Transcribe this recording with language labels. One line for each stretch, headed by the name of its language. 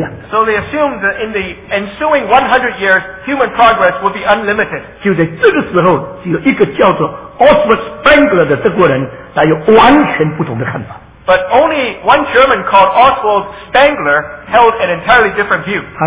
English: So they assumed that in the ensuing 100 years, human progress would be unlimited.
Chinese: 就在这个时候，只有一个叫做 Oswald Spengler 的德国人，他有完全不同的看法。
English: But only one German called Oswald Spengler held an entirely different view.